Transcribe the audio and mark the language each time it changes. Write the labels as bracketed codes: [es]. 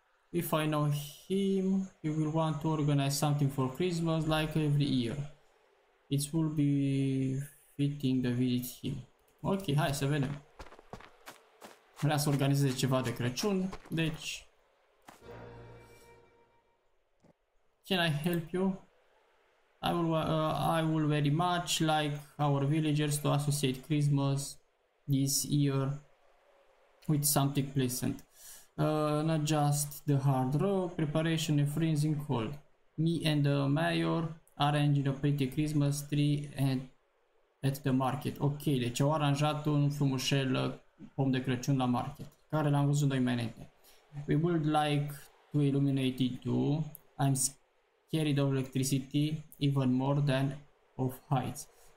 [en] If I know him, he will want to organize something for Christmas like every year. It will be fitting the visit him. Ok, [ro] hai să vedem. Vrea să organizeze ceva de Crăciun, deci. [en] Can I help you? I will very much like our villagers to associate Christmas this year with something pleasant. Not just the hard rock preparation and freezing cold. Me and the mayor arranged a pretty Christmas tree at the market. [ro] Ok, deci au aranjat un frumușel pom de Crăciun la market, care l-am văzut noi mai înainte. [en] We would like to illuminate it too. I'm scared of electricity even more than of heights.